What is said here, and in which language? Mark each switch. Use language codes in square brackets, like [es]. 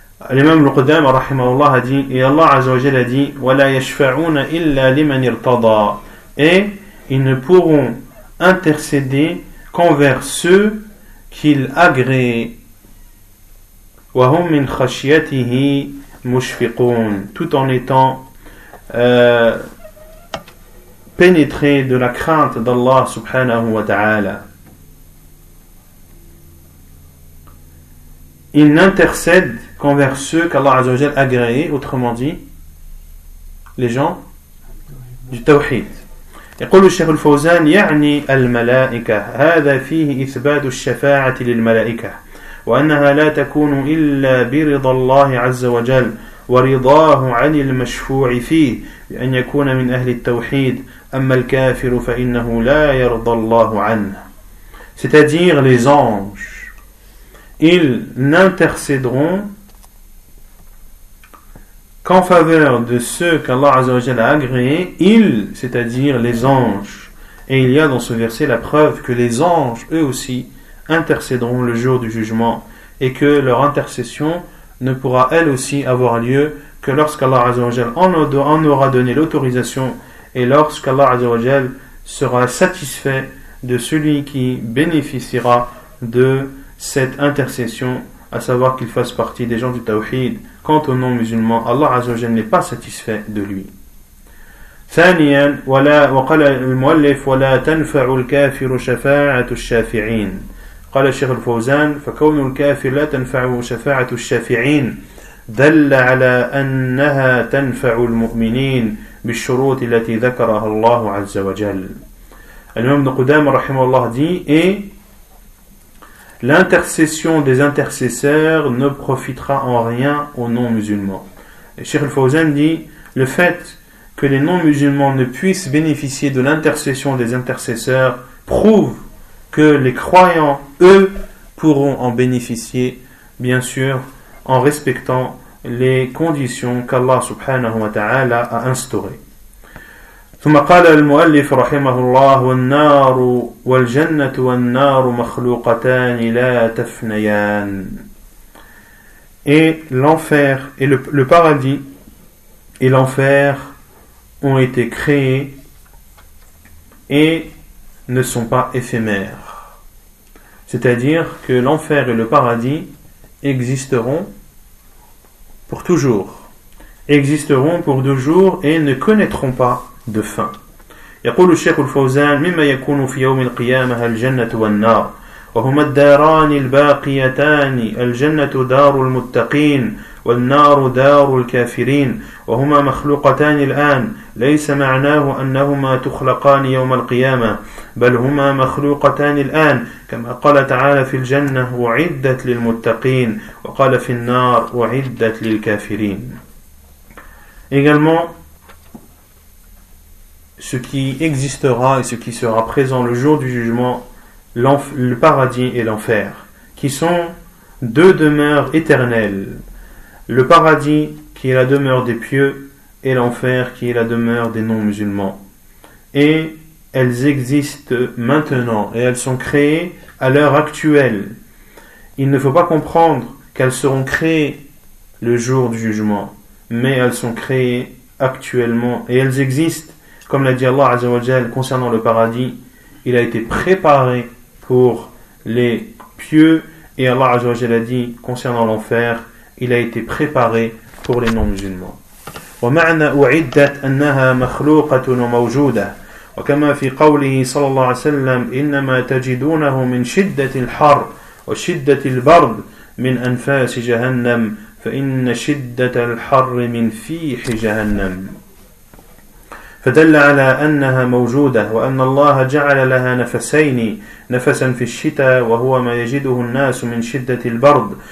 [ar] الإمام القدامى رحمه الله [fr] dit et Allah عز وجل dit [ar] ولا يشفعون إلا لمن ارتضى, [fr] et ils ne pourront intercéder qu'envers ceux qu'il agré, [ar] وهم من خشيته مشفقون, [fr] tout en étant pénétré de la crainte d'Allah subhanahu wa ta'ala. Il n'intercède qu'envers ceux qu'Allah azza wa jalla agréé, autrement dit les gens du tawhid. [ar] يقول الشيخ الفوزان يعني الملائكة هذا فيه إثبات الشفاعة للملائكة وأنها لا تكون إلا برضا الله عز وجل ورضاه عن المشفوع فيه بأن يكون من أهل التوحيد أما الكافر فإنه لا يرضى الله عنه. [fr] C'est-à-dire les anges, ils n'intercéderont qu'en faveur de ceux qu'Allah Azza wa Jalla a agréés, ils, c'est-à-dire les anges. Et il y a dans ce verset la preuve que les anges eux aussi intercéderont le jour du jugement et que leur intercession ne pourra elle aussi avoir lieu que lorsqu'Allah Azza wa Jal en aura donné l'autorisation et lorsqu'Allah Azza wa Jal sera satisfait de celui qui bénéficiera de cette intercession, à savoir qu'il fasse partie des gens du Tawhid. Quant aux non-musulmans, Allah Azza wa Jal n'est pas satisfait de lui. [ar] ثانيا ولا وقال المؤلف ولا تنفع الكافر شفاعة الشافعين قال الشيخ الفوزان فكون الكافر لا تنفع شفاعة الشافعين دل على أنها تنفع المؤمنين بالشروط التي ذكرها الله عز وجل. الإمام ابن قدامة رحمه الله دي اي [fr] l'intercession des intercesseurs ne profitera en rien aux non-musulmans. [ar] الشيخ الفوزان دي [fr] le fait que les non-musulmans ne puissent bénéficier de l'intercession des intercesseurs prouve que les croyants, eux, pourront en bénéficier, bien sûr, en respectant les conditions qu'Allah subhanahu wa ta'ala a instaurées. [ar] ثم قال المؤلف رحمه الله والنار والجنة والنار مخلوقتان لا تفنيان. [fr] Et l'enfer et le paradis et l'enfer ont été créés et ne sont pas éphémères. C'est-à-dire que l'enfer et le paradis existeront pour toujours. Existeront pour toujours et ne connaîtront pas de fin. [ar] يقول الشيخ الفوزان مما يكون في يوم القيامة الجنة والنار وهما الداران الباقيتان الجنة دار المتقين والنار دار الكافرين وهما مخلوقتان الآن ليس معناه أنهما تخلقان يوم القيامة بل هما مخلوقتان الآن كما قال تعالى في الجنة أعدت للمتقين وقال في النار أعدت للكافرين. [fr] Également, ce qui existera et ce qui sera présent le jour du jugement, le paradis et l'enfer, qui sont deux demeures éternelles. Le paradis qui est la demeure des pieux et l'enfer qui est la demeure des non-musulmans. Et elles existent maintenant et elles sont créées à l'heure actuelle. Il ne faut pas comprendre qu'elles seront créées le jour du jugement, mais elles sont créées actuellement et elles existent. Comme l'a dit Allah Azza wa Jal concernant le paradis, il a été préparé pour les pieux et Allah Azza wa Jal a dit concernant l'enfer, il a été préparé pour les non-musulmans. [ar] ومعنى أعدت أنها مخلوقة وموجودة وكما في قوله صلى الله عليه وسلم إنما تجدونه من شدة الحر وشدة البرد من أنفاس جهنم فإن شدة الحر من فيح جهنم فدل على أنها موجودة وأن الله جعل لها نفسين نفسا في الشتاء وهو ما يجده الناس من شدة البرد